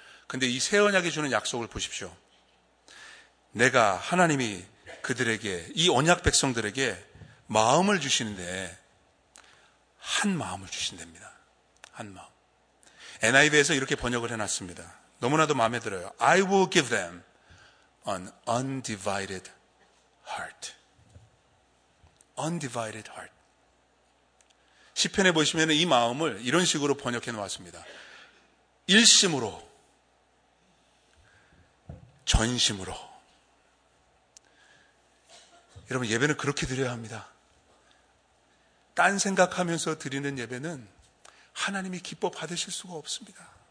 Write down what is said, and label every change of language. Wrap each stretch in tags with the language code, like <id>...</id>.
<ko>근데 이 새 언약이 주는 약속을 보십시오. 내가 하나님이 그들에게, 이 언약 백성들에게 마음을 주시는데 한 마음을 주신답니다. 한 마음. NIV에서 이렇게 번역을 해놨습니다. 너무나도 마음에 들어요.</ko> <en>I will give them an undivided heart. Undivided heart.</en> <ko>시편에 보시면 이 마음을 이런 식으로 번역해 놓았습니다. 일심으로, 전심으로. 여러분, 예배는 그렇게 드려야 합니다. 딴 생각하면서 드리는 예배는 하나님이 기뻐 받으실 수가 없습니다.</ko>